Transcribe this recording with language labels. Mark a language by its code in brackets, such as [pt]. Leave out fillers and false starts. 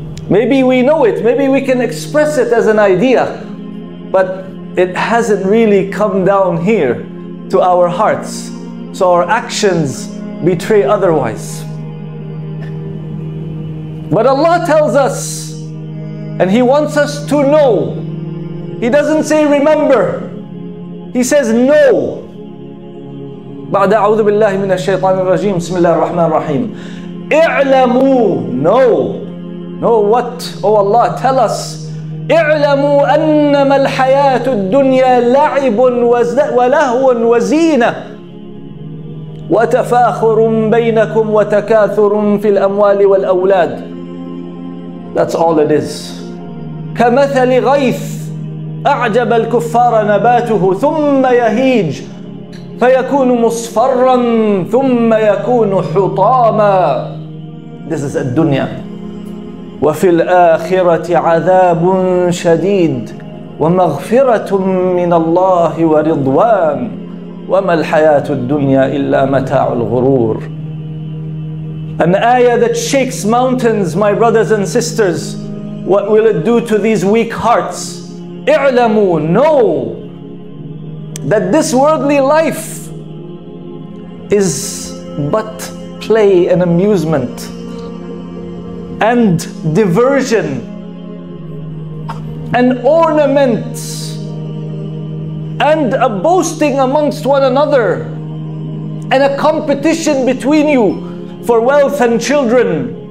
[en] Maybe we know it, maybe we can express it as an idea, but it hasn't really come down here to our hearts. So our actions betray otherwise. But Allah tells us, and He wants us to know. He doesn't say remember, He says know. [ar] بعد أعوذ بالله من الشيطان الرجيم بسم الله الرحمن الرحيم اعلموا know. [en] Know what? Oh Allah, tell us. [ar] اعلموا أنما الحياة الدنيا لعب ولهو وزينة. وتفاخر بينكم وتكاثر في الأموال والأولاد. [en] That's all it is. [ar] كمثل غيث أعجب الكفار نباته ثم يهيج فيكون مصفرا ثم يكون حطاما. [en] This is الدنيا. [ar] وفي الآخرة عذاب شديد ومغفرة من الله ورضوان وما الحياة الدنيا إلا متاع الغرور. [en] An ayah that shakes mountains, my brothers and sisters. What will it do to these weak hearts? اعلموا, know that this worldly life is but play and amusement and diversion and ornament and a boasting amongst one another and a competition between you for wealth and children.